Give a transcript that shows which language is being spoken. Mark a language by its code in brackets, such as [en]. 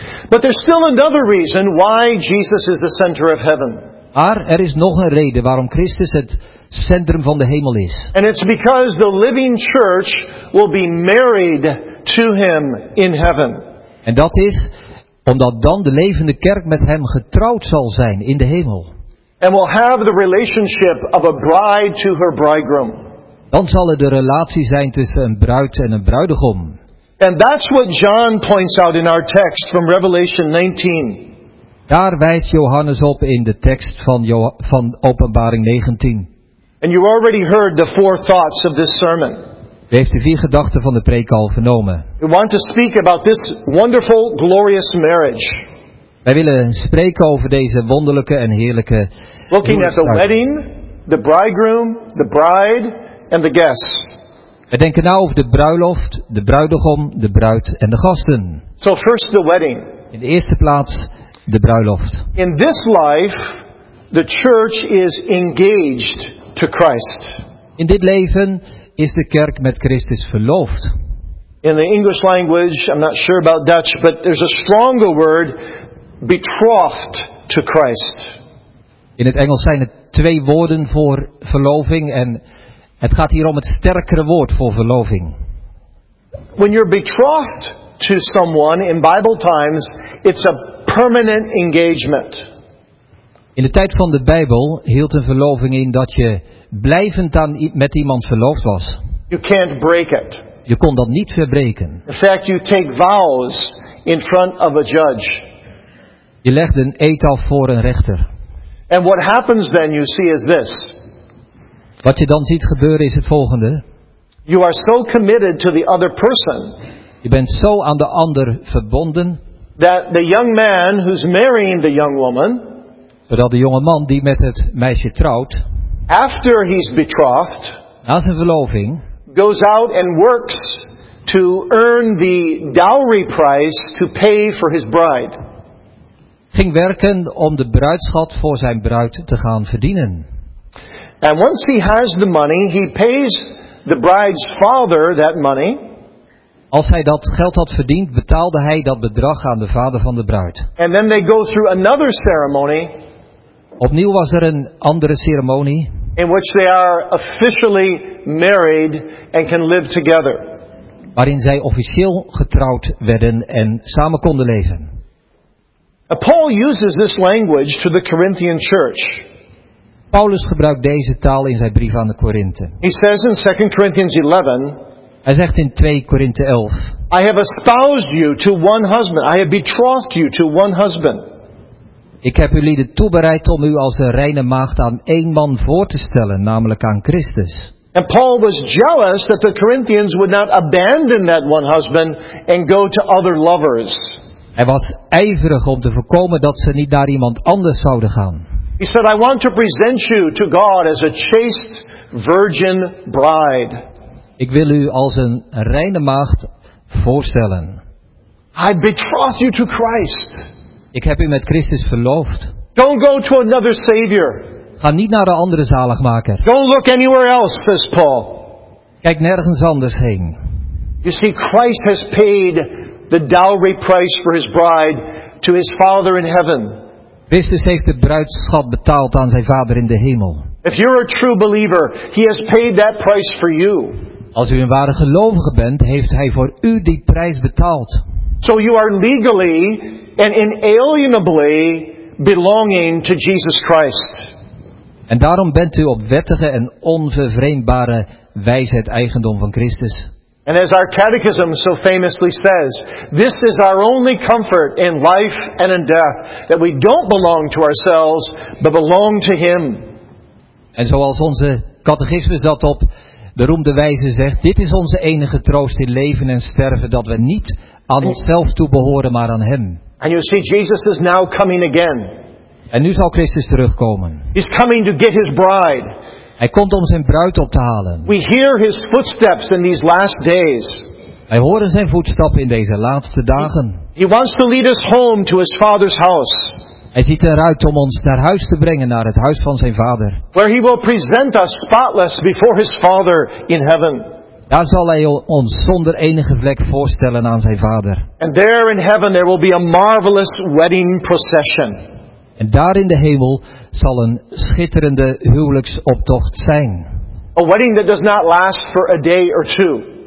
[en] But there's still another reason why Jesus is the center of heaven. [nl] Maar er is nog een reden waarom Christus het centrum van de hemel is. [en] And it's because the living church will be married to him in heaven. [nl] En dat is omdat dan de levende kerk met hem getrouwd zal zijn in de hemel. [en] And will have the relationship of a bride to her bridegroom. [nl] Dan zal er de relatie zijn tussen een bruid en een bruidegom. [en] And that's what John points out in our text from Revelation 19. [nl] Daar wijst Johannes op in de tekst van Openbaring 19. [en] And you already heard the four thoughts of this sermon. [nl] U heeft de vier gedachten van de preek al vernomen. [en] We want to speak about this wonderful, glorious marriage. [nl] Wij willen spreken over deze wonderlijke en heerlijke. [en] Looking at the wedding, the bridegroom, the bride, and the guests. [nl] We denken nou over de bruiloft, de bruidegom, de bruid en de gasten. [en] So first the wedding. [nl] In de eerste plaats de bruiloft. [en] In this life, the church is engaged to Christ. [nl] In dit leven is de kerk met Christus verloofd. [en] In the English language, I'm not sure about Dutch, but there's a stronger word, betrothed to Christ. [nl] In het Engels zijn het twee woorden voor verloving en het gaat hier om het sterkere woord voor verloving. [en] When you're betrothed to someone in Bible times, it's a permanent engagement. [nl] In de tijd van de Bijbel hield een verloving in dat je blijvend aan met iemand verloofd was. [en] You can't break it. [nl] Je kon dat niet verbreken. [en] In fact, you take vows in front of a judge. [nl] Je legt een eed af voor een rechter. [en] And what happens then, you see, is this. [nl] Wat je dan ziet gebeuren is het volgende. [en] You are so committed to the other person. [nl] Je bent zo aan de ander verbonden. [en] That the young man who's marrying the young woman. [nl] Zodat de jonge man die met het meisje trouwt. [en] After he's betrothed. [nl] Na zijn verloving. [en] Goes out and works to earn the dowry price to pay for his bride. [nl] Ging werken om de bruidsschat voor zijn bruid te gaan verdienen. [en] And once he has the money, he pays the bride's father that money. [nl] Als hij dat geld had verdiend, betaalde hij dat bedrag aan de vader van de bruid. [en] And then they go through another ceremony. [nl] Opnieuw was er een andere ceremonie. [en] In which they are officially married and can live together. [nl] Waarin zij officieel getrouwd werden en samen konden leven. [en] Paul uses this language to the Corinthian church. [nl] Paulus gebruikt deze taal in zijn brief aan de Korinthe. [en] He says in 2 Corinthians 11. [nl] Hij zegt in 2 Korinthe 11. [en] I have espoused you to one husband. I have betrothed you to one husband. [nl] Ik heb u lieden toebereid om u als een reine maagd aan één man voor te stellen, namelijk aan Christus. [en] And Paul was jealous that the Corinthians would not abandon that one husband and go to other lovers. [nl] Hij was ijverig om te voorkomen dat ze niet naar iemand anders zouden gaan. [en] He said, I want to present you to God as a chaste virgin bride. [nl] Ik wil u als een reine maagd voorstellen. [en] I betroth you to Christ. [nl] Ik heb u met Christus verloofd. [en] Don't go to another savior. [nl] Ga niet naar een andere zaligmaker. [en] Don't look anywhere else, says Paul. [nl] Kijk nergens anders heen. [en] You see, Christ has paid the dowry price for his bride to his father in heaven. [nl] Christus heeft de bruidsschat betaald aan zijn vader in de hemel. [en] If you're a true believer, he has paid that price for you. [nl] Als u een ware gelovige bent, heeft hij voor u die prijs betaald. [en] So you are legally and inalienably belonging to Jesus Christ. [nl] En daarom bent u op wettige en onvervreemdbare wijze het eigendom van Christus. [en] And as our catechism so famously says, this is our only comfort in life and in death, that we don't belong to ourselves, but belong to Him. [nl] En zoals onze catechismus dat op beroemde wijze zegt, dit is onze enige troost in leven en sterven, dat we niet aan onszelf toebehoren, maar aan Hem. [en] And you see, Jesus is now coming again. [nl] En nu zal Christus terugkomen. [en] He's coming to get His bride. [nl] Hij komt om zijn bruid op te halen. [en] We hear His footsteps in these last days. [nl] Wij horen zijn voetstappen in deze laatste dagen. [en] He wants to lead us home to His Father's house. [nl] Hij ziet eruit om ons naar huis te brengen, naar het huis van zijn Vader. [en] Where He will present us spotless before His Father in heaven. [nl] Daar zal Hij ons zonder enige vlek voorstellen aan zijn Vader. [en] And there in heaven there will be a marvelous wedding procession. [nl] En daar in de hemel zal een schitterende huwelijksoptocht zijn. [en] A wedding that does not last for a day or two.